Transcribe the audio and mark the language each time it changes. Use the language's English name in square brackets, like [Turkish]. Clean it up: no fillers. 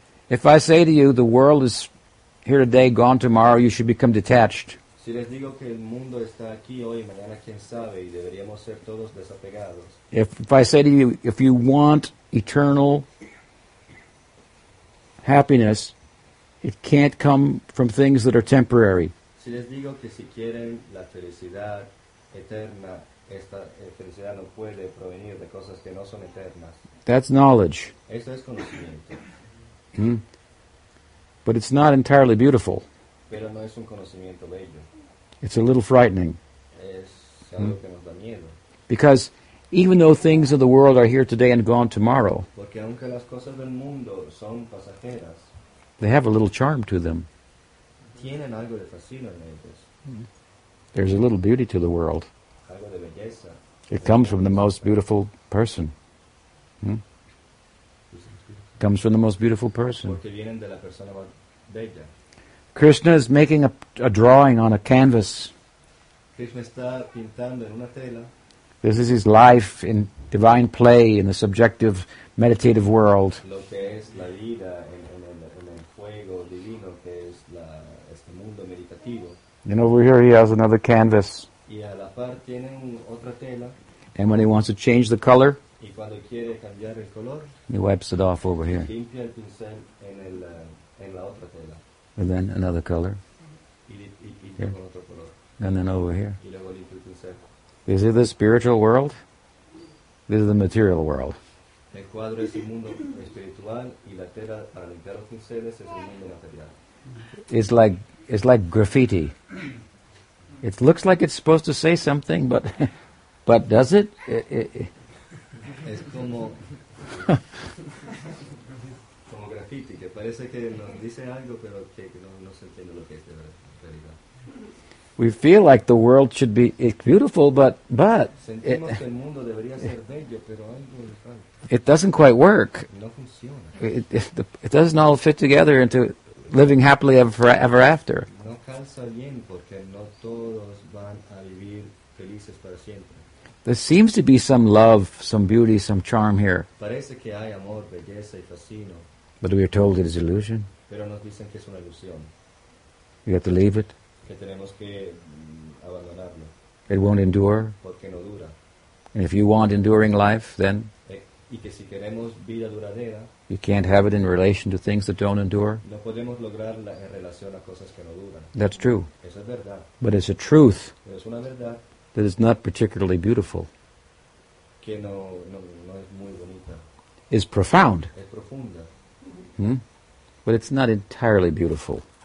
[English] If I say to you, the world is here today, gone tomorrow, you should become detached. [Spanish] Si les digo que el mundo está aquí hoy, mañana quién sabe, y deberíamos ser todos desapegados. [English] If I say to you, if you want eternal happiness, it can't come from things that are temporary. [Spanish] Si les digo que si quieren la felicidad eterna, esta felicidad no puede provenir de cosas que no son eternas. [English] That's knowledge. [Spanish] Esto es conocimiento. [English] But it's not entirely beautiful. [Spanish] Pero no es un conocimiento bello. [English] It's a little frightening. [Spanish] Es algo que nos da miedo. [English] Because even though things of the world are here today and gone tomorrow, [Spanish] porque aunque las cosas del mundo son pasajeras, [English] they have a little charm to them. [Spanish] Tienen algo de fascino en ellos. [English] There's a little beauty to the world. [Spanish] Algo de belleza. [English] It comes from the most beautiful person. Comes from the most beautiful person. [Spanish] Porque vienen de la persona más bella. [English] Krishna is making a drawing on a canvas. [Spanish] Krishna está pintando en una tela. [English] This is his life in divine play in the subjective meditative world. [Spanish] Lo que es la vida en el fuego divino que es este mundo meditativo. [English] And over here he has another canvas. [Spanish] Y a la par tienen otra tela. [English] And when he wants to change the color, [Spanish] Y cuando quiere cambiar el color, [English] he wipes it off over here. [Spanish] Limpia el pincel en el, en la otra tela. [English] And then another color. [Spanish] Y con otro color. [English] And then over here. [Spanish] Y luego limpia el pincel. [English] This is the spiritual world. This is the material world. [Spanish] El cuadro es el mundo espiritual y la tela para limpiar los pinceles es el mundo material. [English] It's like graffiti. It looks like it's supposed to say something, but does it? [Spanish] Es como como graffiti que parece que nos dice algo, pero que no, no se entiende lo que es de realidad. [English] We feel like the world should be beautiful, but it doesn't quite work. [Spanish] No funciona. [English] It doesn't all fit together into living happily ever after. [Spanish] No calza bien porque no todos van a vivir felices para siempre. [English] There seems to be some love, some beauty, some charm here. [Spanish] Parece que hay amor, belleza y fascino. [English] But we are told it is illusion. [Spanish] Pero nos dicen que es una ilusión. [English] You have to leave it. [Spanish] Que tenemos que abandonarlo. [English] It won't endure. [Spanish] Porque no dura. [English] And if you want enduring life, then [Spanish] y que si queremos vida duradera, [English] you can't have it in relation to things that don't endure. [Spanish] No podemos lograrla en relación a cosas que no duran. [English] That's true. [Spanish] Eso es verdad. [English] But it's a truth. [Spanish] Pero es una verdad [English] that is not particularly beautiful. [Spanish] Que no, no, no es muy bonita. [English] Is profound. [Spanish] Es profunda. [English] Hmm? But it's not entirely beautiful.